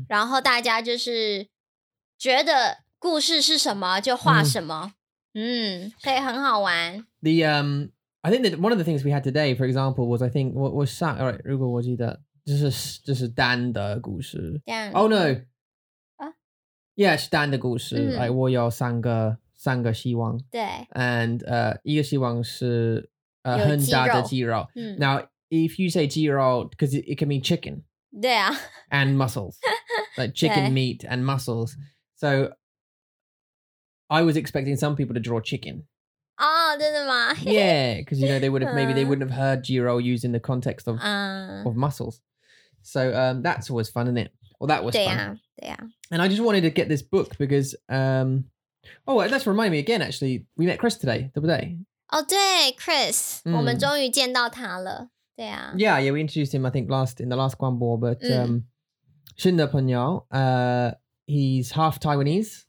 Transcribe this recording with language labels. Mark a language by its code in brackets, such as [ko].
[zh] 然后大家就是觉得故事是什么就画什么，可以很好玩。 [en] The I think that one of the things we had today, for example, was I think what was sang. All right, [zh] 如果我记得。就是丹的故事。丹。 [en] Oh no. Yes, [zh] 丹的故事。我有三个希望。对。 And 一个希望是很大的肌肉。 [en] Now, if you say [zh] 肌肉, [en] because it can mean chicken. [zh] 对啊。 [en] And muscles. Like chicken meat and muscles. So, I was expecting some people to draw chicken. [zh] Oh, 真的吗? [en] Yeah, because you know they would have maybe they wouldn't have heard Jiro used in the context of muscles. So that's always fun, isn't it? Well, that was fun. Yeah. And I just wanted to get this book because, oh, that's reminded me again, actually, we met Chris today, the other day. [zh] Oh, 对, Chris. 我们终于见到他了。对啊。 [en] Yeah, yeah, we introduced him, I think, in the last 广播, but [zh] 新的朋友, [en] he's half Taiwanese.